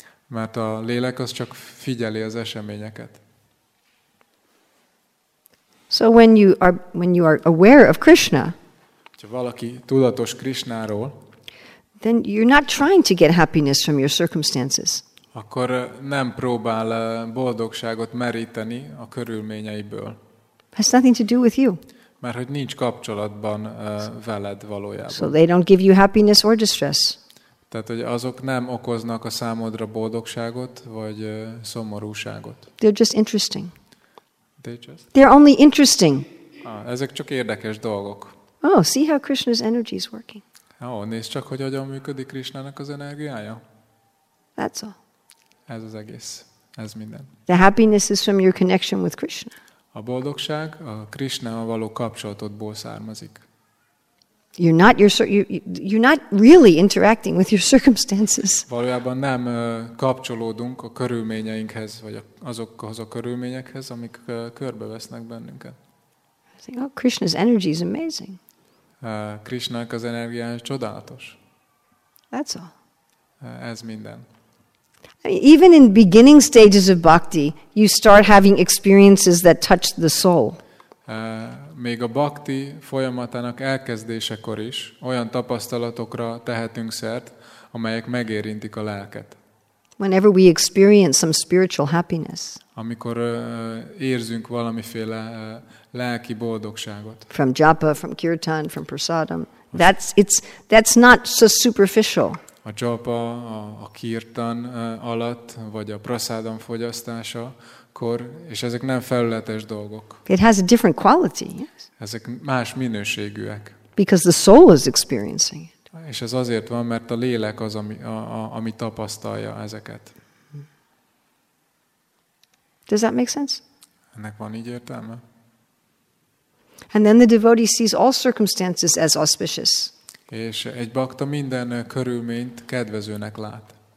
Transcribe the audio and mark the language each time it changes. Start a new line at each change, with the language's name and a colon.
Hungarian: Mert a lélek az csak figyeli az eseményeket.
English: So when you are aware of Krishna.
Hungarian: Ha valaki tudatos Krishnáról.
English: Then you're not trying to get happiness from your circumstances.
Hungarian: Akkor nem próbál boldogságot meríteni a körülményeiből.
English: Has nothing to do with you.
Hungarian: Mert hogy nincs kapcsolatban veled valójában.
English: So they don't give you happiness or distress.
Hungarian: Tehát hogy azok nem okoznak a számodra boldogságot vagy szomorúságot.
English: They're just interesting. They're only interesting.
Hungarian: Ezek csak érdekes dolgok.
English: Oh, see how Krishna's energy is working.
Hungarian: Oh, nézd csak, hogy hogyan működik Krishnának az energiája.
English: That's all.
Hungarian: Ez az egész. Ez minden.
English: The happiness is from your connection with Krishna.
Hungarian: A boldogság a Krishnával való kapcsolatodból származik.
English: You're not really interacting with your circumstances.
Hungarian: Valójában nem kapcsolódunk a körülményeinkhez, vagy azokhoz a körülményekhez, amik körbevesznek bennünket.
English: I think, oh, Krishna's energy is amazing.
Hungarian: Krishnának az energiája csodálatos.
English: That's all.
Hungarian: Ez minden.
English: Even in beginning stages of bhakti, you start having experiences that touch the soul.
Hungarian: Még a bhakti folyamatának elkezdésekor is olyan tapasztalatokra tehetünk szert, amelyek megérintik a lelket.
English: Whenever we experience some spiritual happiness.
Hungarian: Amikor érzünk valamiféle lelki boldogságot.
English: From japa, from kirtan, from prasadam. That's not so superficial.
Hungarian: A japa, a kirtan alatt, vagy a prasadam fogyasztása, akkor, és ezek nem felületes dolgok.
English: It has a different quality, yes.
Hungarian: Ezek más minőségűek.
English: Because the soul is experiencing it.
Hungarian: És ez azért van, mert a lélek az, ami tapasztalja ezeket.
English: Does that make sense?
Hungarian: Ennek van így értelme?
English: And then the devotee sees all circumstances as auspicious.
Hungarian: És egy bhakta minden körülményt kedvezőnek lát.